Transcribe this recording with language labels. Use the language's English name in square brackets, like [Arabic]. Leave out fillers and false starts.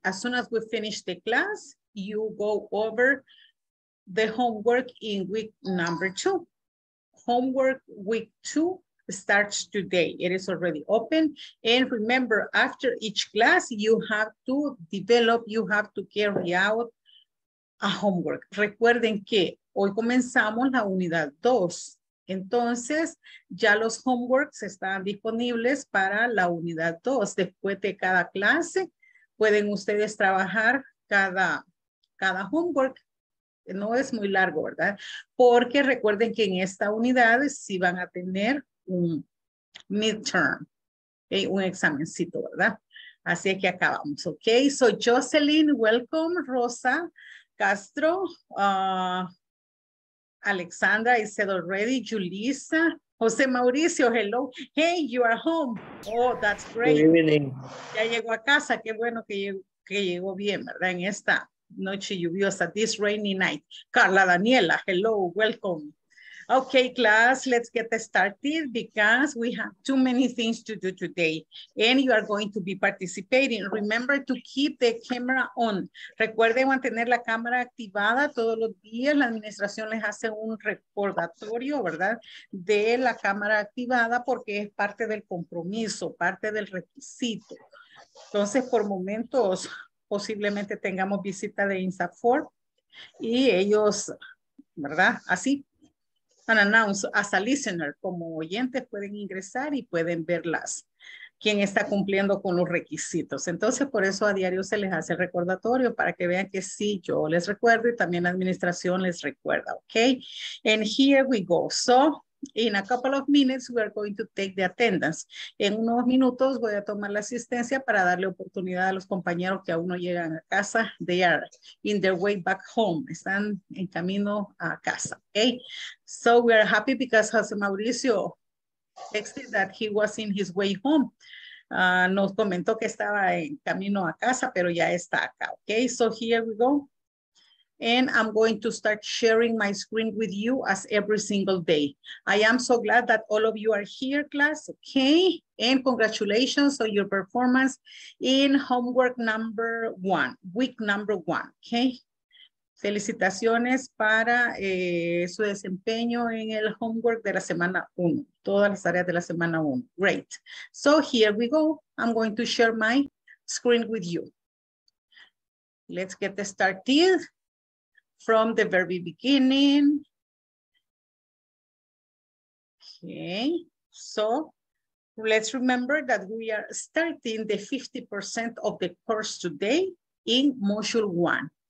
[English] As soon as we finish the class, you go over the homework in week number two. Homework week two starts today. It is already open. And remember, after each class, you have to develop, you have to carry out a homework. [Spanish] Recuerden que hoy comenzamos la unidad dos. Entonces, ya los homeworks están disponibles para la unidad dos. Después de cada clase, pueden ustedes trabajar cada homework. No es muy largo, ¿verdad? Porque recuerden que en esta unidad sí van a tener un midterm, okay, un examencito, ¿verdad? Así que acabamos, ¿ok? [English] So, Jocelyn, welcome. Rosa Castro, Alexandra, I said already, Julissa, Jose Mauricio, hello. Hey, you are home. Oh, that's great. Good evening. [Spanish] Ya llegó a casa, qué bueno que llegó bien, ¿verdad? En esta noche lluviosa, [English] this rainy night. Carla Daniela, hello, welcome. Okay, class, let's get started because we have too many things to do today and you are going to be participating. Remember to keep the camera on. [Spanish] Recuerden mantener la cámara activada todos los días. La administración les hace un recordatorio, ¿verdad? De la cámara activada porque es parte del compromiso, parte del requisito. Entonces, por momentos, posiblemente tengamos visita de INSAFORP y ellos, ¿verdad? Así. [English] An announce as a listener, [Spanish] como oyentes pueden ingresar y pueden verlas, quién está cumpliendo con los requisitos. Entonces, por eso a diario se les hace recordatorio para que vean que sí, yo les recuerdo y también la administración les recuerda, okay? [English] And here we go. So, in a couple of minutes, we are going to take the attendance. [Spanish] En unos minutos voy a tomar la asistencia para darle oportunidad a los compañeros que aún no llegan a casa. [English] They are in their way back home. [Spanish] Están en camino a casa, [English] okay? So we are happy because Jose Mauricio texted that he was in his way home. [Spanish] Nos comentó que estaba en camino a casa, pero ya está acá, okay? [English] So here we go. And I'm going to start sharing my screen with you as every single day. I am so glad that all of you are here, class, okay? And congratulations on your performance in homework number one, week number one, okay? [Spanish] Felicitaciones para su desempeño en el homework de la semana uno, todas las tareas de la semana uno, great. [English] So here we go, I'm going to share my screen with you. Let's get started. From the very beginning. Okay, so let's remember that we are starting the 50% of the course today in module one.